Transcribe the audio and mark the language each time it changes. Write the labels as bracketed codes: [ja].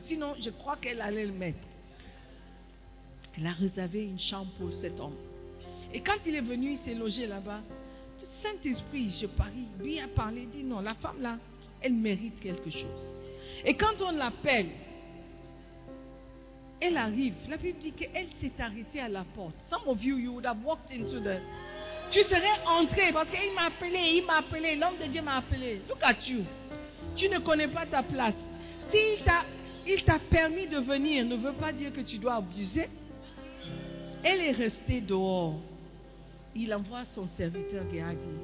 [fr] Sinon, je crois qu'elle allait le mettre. Elle a réservé une chambre pour cet homme. Et quand il est venu, il s'est logé là-bas. Le Saint-Esprit, je parie, lui a parlé, dit non, la femme là, elle mérite quelque chose. Et quand on l'appelle, elle arrive. La Bible dit qu'elle s'est arrêtée à la porte. [en] Some of you, you would have walked into the... [fr] Tu serais entré parce qu'il m'a appelé, il m'a appelé, l'homme de Dieu m'a appelé. [en] Look at you. [fr] Tu ne connais pas ta place. S'il t'a permis de venir, ne veut pas dire que tu dois abuser. Elle est restée dehors. Il envoie son serviteur Gehazi.